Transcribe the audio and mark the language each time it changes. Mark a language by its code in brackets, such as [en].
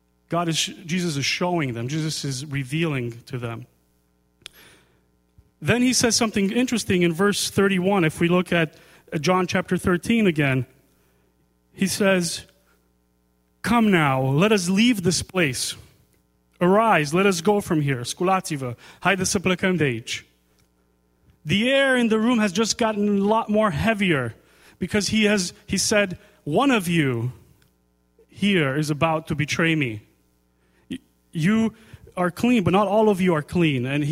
[en] Jesus is showing them. Jesus is revealing to them. Then he says something interesting in verse 31. If we look at John chapter 13 again, he says, come now, let us leave this place. Arise, let us go from here. [ro] Sculativa, haide să plecăm de aici. [en] The air in the room has just gotten a lot more heavier because he said, one of you here is about to betray me. You are clean, but not all of you are clean.